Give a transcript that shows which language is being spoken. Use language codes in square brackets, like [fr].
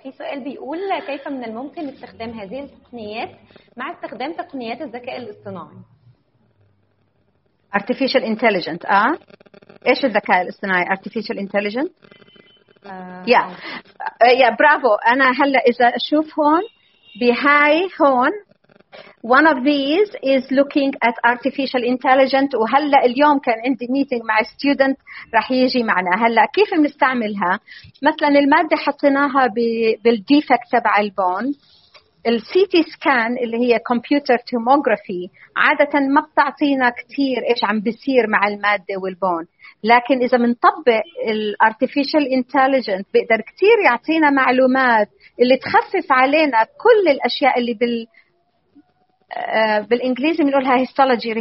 [ar] في سؤال بيقول كيف من الممكن استخدام هذه التقنيات مع استخدام تقنيات الذكاء الاصطناعي [en] artificial intelligence. [ar] ايش الذكاء الاصطناعي [en] artificial intelligence؟ [ar] يا برافو. انا هلا اذا اشوف هون بهاي هون، [en] one of these is looking at artificial intelligence. [ar] وهلا اليوم كان عندي meeting مع student رح يجي معنا هلا كيف بنستعملها. مثلا المادة حطيناها بالديفكت تبع البون، السي تي سكان اللي هي كمبيوتر توموغرافي عادة ما بتعطينا كتير ايش عم بيصير مع المادة والبون، لكن اذا منطبق الارتفيشال انتليجنت بيقدر كتير يعطينا معلومات اللي تخفف علينا كل الاشياء اللي بالانجليزي بنقولها هيستولوجي.